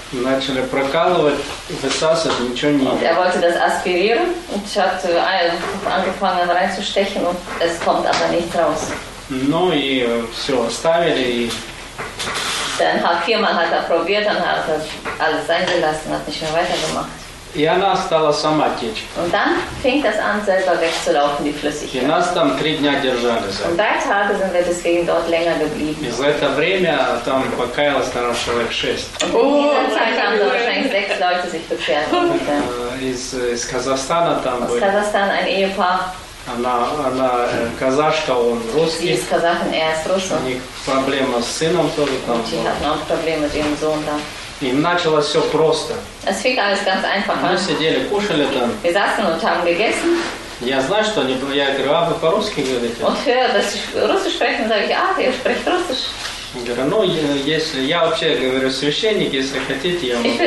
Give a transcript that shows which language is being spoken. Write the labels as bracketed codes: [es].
[ru] Начали прокалывать, высасывать, ничего не. [de] Er wollte das aspirieren und hat angefangen reinzustechen und es kommt aber nicht raus. [ru] Ну и все, оставили и. [de] Dann hat viermal hat er probiert, dann hat er alles sein gelassen, hat nicht mehr weitergemacht. [ru] И она стала сама течь. [de] Und dann fing das an, selber wegzulaufen, die Flüssigkeit. [ru] И нас там три дня держали. [de] Und drei Tage sind wir deswegen dort länger geblieben. [ru] И за это время там покаялось, наверное, человек шесть. [de] Oh, in dieser Zeit haben wahrscheinlich sechs Leute sich bekehrt. [ru] Из Казахстана там были. [de] Aus Kasachstan ein Ehepaar. [ru] Она казашка, он русский. Есть казахин, я с русским. У них проблема с сыном тоже там. [de] Sie hat noch Probleme mit ihrem Sohn da. [ru] Им началось все просто. [de] Es fing alles ganz einfach an. [ru] Мы сидели, кушали там. [de] Wir saßen und haben gegessen. [ru] Я знаю, что они, я говорю, а вы по-русски говорите? [de] Und höre, dass ich Russisch spreche, sage ich, ah, ihr spricht Russisch. [ru] Говорю, ну, если я вообще говорю священник, если хотите, я могу